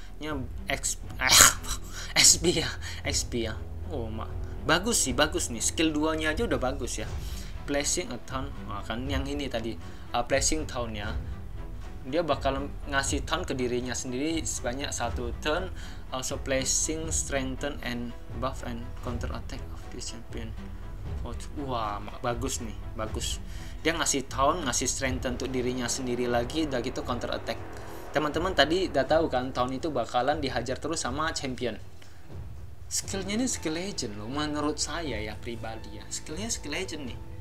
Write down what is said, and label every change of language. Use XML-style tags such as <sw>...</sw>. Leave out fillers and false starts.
<id>Nya XP ya, XP ya. Oh mak, bagus sih, bagus nih. Skill duanya aja udah bagus ya.</id> <en>Placing a taunt,</en> <id>nah, kan yang ini tadi</id> <en>placing taunt</en> <id>ya. Dia bakal ngasih taunt ke dirinya sendiri sebanyak satu turn.</id> <en>Also placing strengthen and buff and counter attack of the champion.</en> <id>Wah, bagus nih, bagus. Dia ngasih taunt, ngasih strengthen untuk dirinya sendiri lagi. Udah gitu counter attack. Teman-teman tadi udah tahu kan, taunt itu bakalan dihajar terus sama champion. skillnya ini skill legend loh, menurut saya ya pribadi ya, skillnya skill legend nih.</id>